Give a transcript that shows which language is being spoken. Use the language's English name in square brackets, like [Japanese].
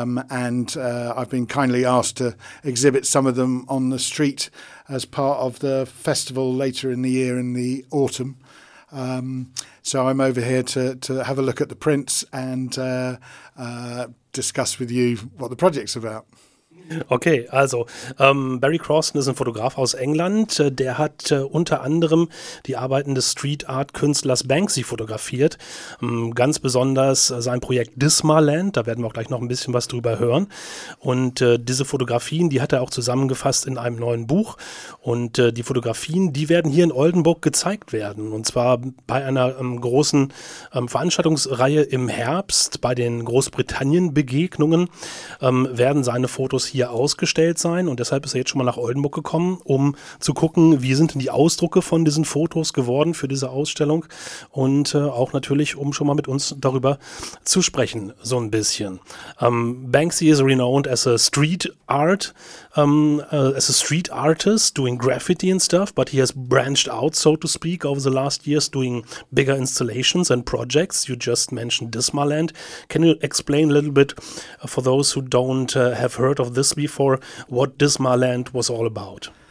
[English] I've been kindly asked to exhibit some of them on the street as part of the festival later in the year in the autumn. So I'm over here to have a look at the prints and discuss with you what the project's about. [German] Okay, also Barry Crawson ist ein Fotograf aus England, der hat unter anderem die Arbeiten des Street-Art-Künstlers Banksy fotografiert, ganz besonders sein Projekt Dismaland, da werden wir auch gleich noch ein bisschen was drüber hören, und diese Fotografien, die hat er auch zusammengefasst in einem neuen Buch, und die Fotografien, die werden hier in Oldenburg gezeigt werden, und zwar bei einer großen Veranstaltungsreihe im Herbst bei den Großbritannien-Begegnungen werden seine Fotos hier ausgestellt sein, und deshalb ist er jetzt schon mal nach Oldenburg gekommen, um zu gucken, wie sind denn die Ausdrucke von diesen Fotos geworden für diese Ausstellung, und auch natürlich, um schon mal mit uns darüber zu sprechen, so ein bisschen. [English] Banksy is renowned as a street art as a street artist doing graffiti and stuff, but he has branched out, so to speak, over the last years doing bigger installations and projects. You just mentioned Dismaland. Can you explain a little bit for those who don't have heard of this before, what Dismaland was all about?